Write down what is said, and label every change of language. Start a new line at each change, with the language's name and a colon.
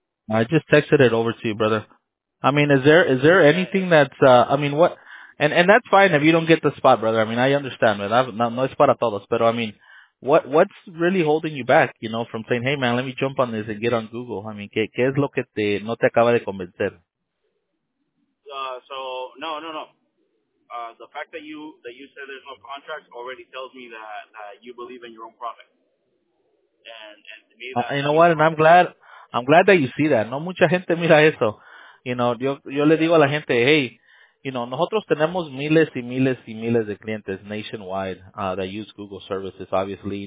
English: I just texted it over to you, brother. I mean, is there anything that's, I mean, what, and that's fine if you don't get the spot, brother. I mean, I understand, man. No es para todos, pero I mean, what's really holding you back, you know, from saying, hey, man, let me jump on this and get on Google. I mean,
Spanish: ¿qué es lo que te, no te acaba de convencer? No.
English: The fact that you said there's no contract already tells me that you believe in your own product. And to me, you know what, and I'm glad that you see that.
Spanish: No mucha gente mira eso.
English: You know,
Spanish: yo le digo a la gente,
English: hey, you know,
Spanish: nosotros tenemos miles y miles y miles de clientes
English: nationwide that use Google services, obviously.